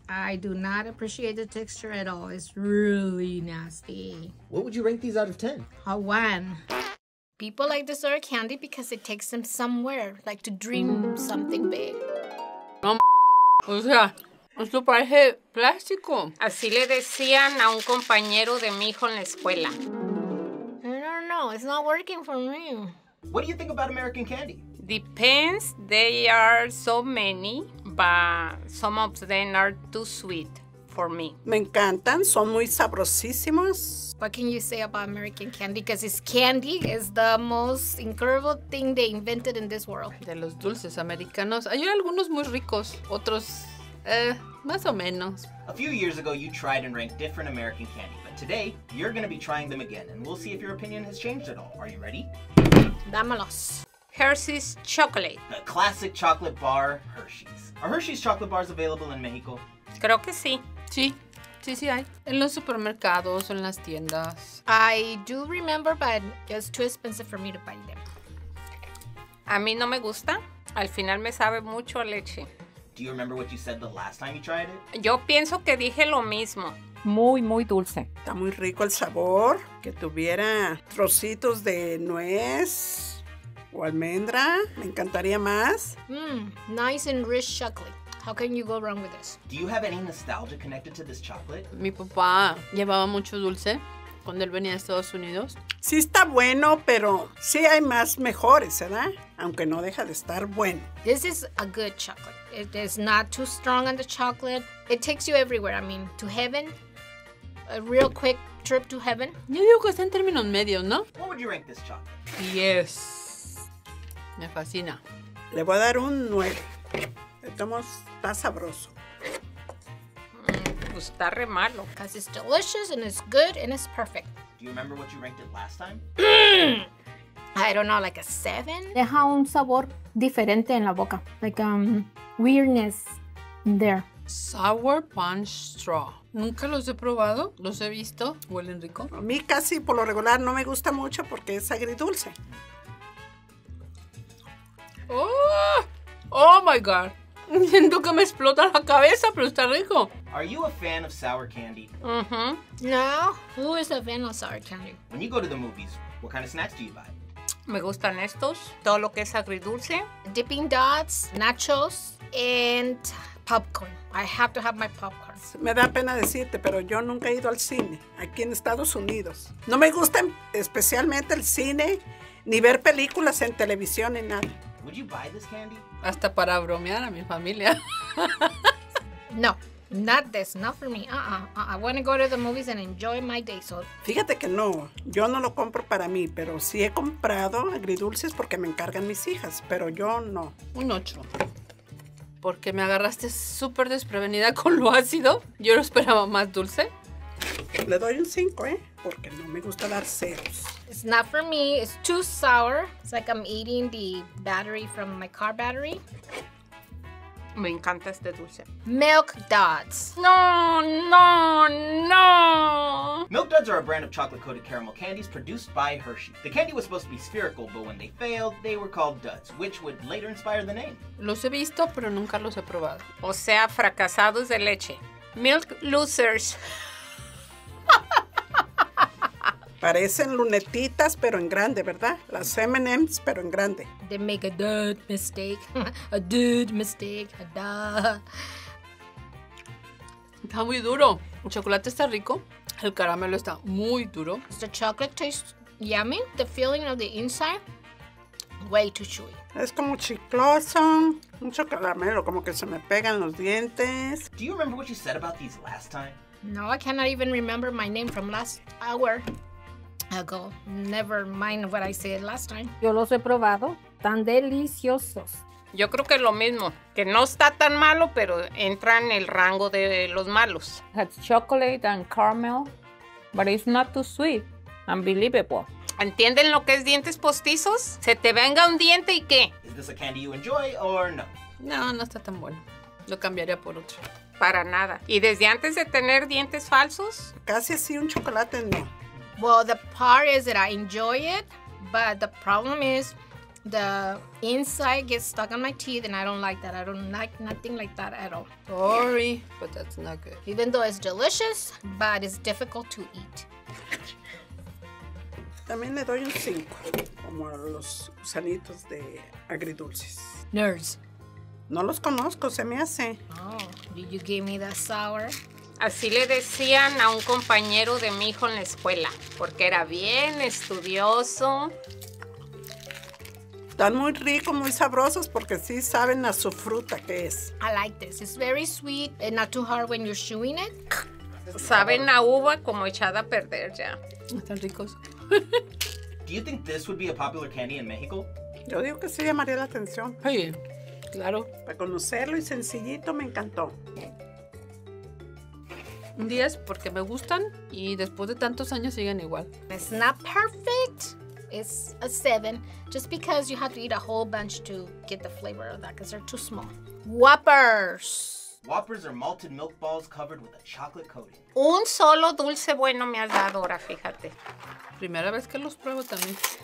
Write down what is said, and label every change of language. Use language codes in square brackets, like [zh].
[en] I do not appreciate the texture at all. It's really nasty. What would you rank these out of 10? A 1. People like this sort of candy because it takes them somewhere, like to dream something big. [es] No, o sea, esto parece plástico. Así le decían a un compañero de mi hijo en la escuela. [en] I don't know, it's not working for me. What do you think about American candy? Depends, they are so many, but some of them are too sweet for me. [es] Me encantan, son muy sabrosísimos. [en] What can you say about American candy? Because it's candy, it's the most incredible thing they invented in this world. [es] De los dulces americanos, hay algunos muy ricos, otros, más o menos. [en] A few years ago, you tried and ranked different American candy, but today, you're going to be trying them again, and we'll see if your opinion has changed at all. Are you ready? [es] Dámelos. [en] Hershey's chocolate. The classic chocolate bar, Hershey's. Are Hershey's chocolate bars available in Mexico? [es] Creo que sí. Sí. Sí, sí hay. En los supermercados, en las tiendas. [en] I do remember, but it's too expensive for me to buy them. [es] A mí no me gusta. Al final me sabe mucho a leche. [en] Do you remember what you said the last time you tried it? [es] Yo pienso que dije lo mismo. Muy, muy dulce. Está muy rico el sabor. Que tuviera trocitos de nuez o almendra. Me encantaría más. [en] Mmm, nice and rich chocolate. How can you go wrong with this? Do you have any nostalgia connected to this chocolate? [es] Mi papá llevaba mucho dulce cuando él venía a Estados Unidos. Sí está bueno, pero sí hay más mejores, ¿verdad? Aunque no deja de estar bueno. [en] This is a good chocolate. It is not too strong on the chocolate. It takes you everywhere. I mean, to heaven. A real quick trip to heaven. [es] Yo digo que está en términos medios, ¿no? [en] What would you rank this chocolate? [es] Yes. Me fascina. Le voy a dar un 9. Estamos, está sabroso. Pues está re malo. [en] Because it's delicious and it's good and it's perfect. Do you remember what you ranked it last time? I don't know, like a 7? [es] Deja un sabor diferente en la boca. [en] Like weirdness there. [es] Sour punch straw. Nunca los he probado, los he visto. Huelen rico. A mí casi por lo regular no me gusta mucho porque es agridulce. [en] Oh, oh my God. [es] Siento que me explota la cabeza, pero está rico. [en] Are you a fan of sour candy? No. Who is a fan of sour candy? When you go to the movies, what kind of snacks do you buy? [es] Me gustan estos. Todo lo que es agridulce. [en] Dipping dots, nachos, and popcorn. I have to have my popcorn. [es] Me da pena decirte, pero yo nunca he ido al cine aquí en Estados Unidos. No me gusta especialmente el cine, ni ver películas en televisión ni nada. [en] Would you buy this candy? [es] Hasta para bromear a mi familia. [en] No, not this, not for me. I want to go to the movies and enjoy my day, so. [es] Fíjate que no, yo no lo compro para mí, pero sí he comprado agridulces porque me encargan mis hijas, pero yo no. Un 8. Porque me agarraste súper desprevenida con lo ácido. Yo lo esperaba más dulce. Le doy un 5, porque no me gusta dar ceros. [en] It's not for me. It's too sour. It's like I'm eating the battery from my car battery. [es] Me encanta este dulce. [en] Milk Duds. [es] No, no, no. [en] Milk Duds are a brand of chocolate-coated caramel candies produced by Hershey. The candy was supposed to be spherical, but when they failed, they were called Duds, which would later inspire the name. [es] Los he visto, pero nunca los he probado. O sea, fracasados de leche. [en] Milk Losers. [es] Parecen lunetitas, pero en grande, ¿verdad? Las M&M's, pero en grande. [en] They make a dud mistake. A dude mistake. A duh. [es] Está muy duro. El chocolate está rico. El caramelo está muy duro. [en] The chocolate tastes yummy. The feeling of the inside, way too chewy. [es] Es como chicloso. Mucho caramelo, como que se me pegan los dientes. [en] Do you remember what you said about these last time? No, I cannot even remember my name from last hour ago. Never mind what I said last time. [es] Yo los he probado. Tan deliciosos. Yo creo que es lo mismo, que no está tan malo, pero entra en el rango de los malos. [en] It's chocolate and caramel, but it's not too sweet. Unbelievable. [es] ¿Entienden lo que es dientes postizos? Se te venga un diente y ¿qué? [en] Is this a candy you enjoy or no? [es] No, no está tan bueno. Lo cambiaría por otro. Para nada. ¿Y desde antes de tener dientes falsos? Casi así un chocolate no. [en] Well, the part is that I enjoy it, but the problem is the inside gets stuck on my teeth and I don't like that. I don't like nothing like that at all. Sorry, but that's not good. Even though it's delicious, but it's difficult to eat. [es] También le doy un 5, como a los gusanitos de agridulces. [en] Nerds. [es] No los conozco, se me hace. [en] Oh, did you give me that sour? [es] Así le decían a un compañero de mi hijo en la escuela, porque era bien estudioso. Están muy ricos, muy sabrosos, porque sí saben a su fruta que es. [en] I like this. It's very sweet and not too hard when you're chewing it. [es] Saben a uva como echada a perder ya. Están ricos. [en] Do you think this would be a popular candy in Mexico? [es] Yo digo que sí llamaría la atención. Sí, claro. Para conocerlo y sencillito, me encantó. Un 10 porque me gustan y después de tantos años siguen igual. [en] It's not perfect. It's a 7 just because you have to eat a whole bunch to get the flavor of that because they're too small. Whoppers. Whoppers are malted milk balls covered with a chocolate coating. [es] Un solo dulce bueno me has dado ahora, fíjate. Primera vez que los pruebo también.